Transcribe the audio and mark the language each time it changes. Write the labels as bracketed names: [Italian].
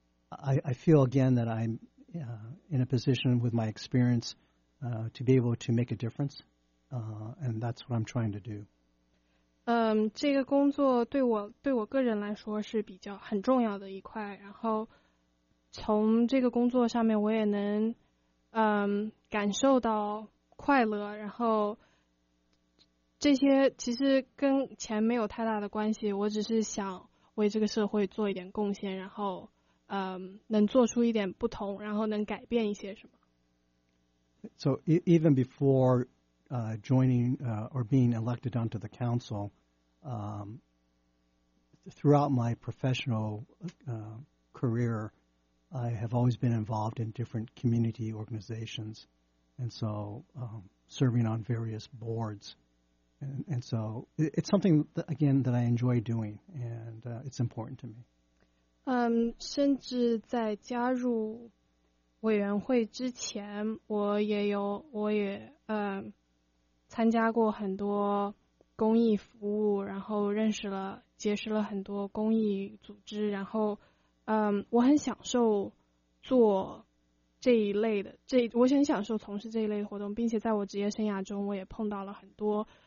[English] I feel, again, that I'm in a position with my experience to be able to make a difference. And that's what I'm trying to do. [Chinese] 这个工作对我个人来说是比较很重要的一块，然后从这个工作上面我也能感受到快乐，然后这些其实跟钱没有太大的关系，我只是想为这个社会做一点贡献，然后能做出一点不同，然后能改变一些什么。 [English] So even before joining or being elected onto the council, throughout my professional career, I have always been involved in different community organizations, and so serving on various boards. And so it's something, that I enjoy doing, and it's important to me. [Chinese] 甚至在加入委员会之前，我也参加过很多公益服务，然后结识了很多公益组织，然后我很享受做这一类的，我很享受从事这一类的活动，并且在我职业生涯中我也碰到了很多